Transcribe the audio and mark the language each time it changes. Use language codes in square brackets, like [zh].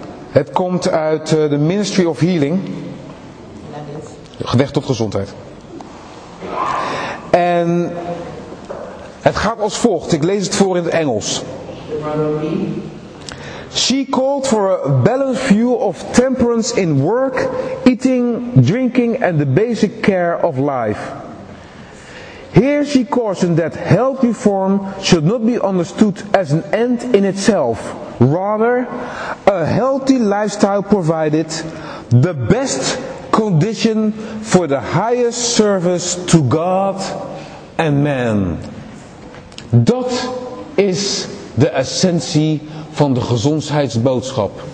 [nl] Het komt uit de Ministry of Healing. Gedicht op gezondheid. En het gaat als volgt. Ik lees het voor in het Engels. [en] She called for a balanced view of temperance in work, eating, drinking and the basic care of life. Here she cautioned that healthy form should not be understood as an end in itself. Rather, a healthy lifestyle provided the best condition for the highest service to God and man. [nl] Dat is de essentie van de gezondheidsboodschap.